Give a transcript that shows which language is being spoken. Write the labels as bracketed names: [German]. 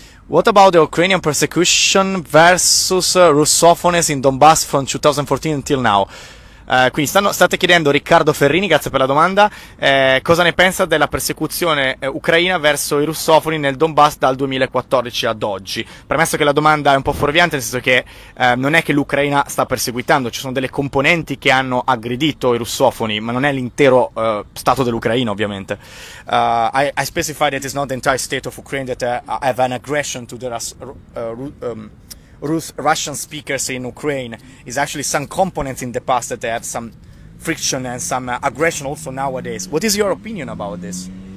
[English] What about the Ukrainian persecution versus Russophones in Donbass from 2014 until now? [Italian] Quindi state chiedendo Riccardo Ferrini, grazie per la domanda, cosa ne pensa della persecuzione ucraina verso i russofoni nel Donbass dal 2014 ad oggi? Premesso che la domanda è un po' fuorviante, nel senso che non è che l'Ucraina sta perseguitando, ci sono delle componenti che hanno aggredito i russofoni, ma non è l'intero stato dell'Ucraina, ovviamente. [English] I specify that it's not the entire state of Ukraine that have an aggression to the Russian speakers in Ukraine. Is actually some components in the past that they have some friction and some aggression also nowadays. What is your opinion about this?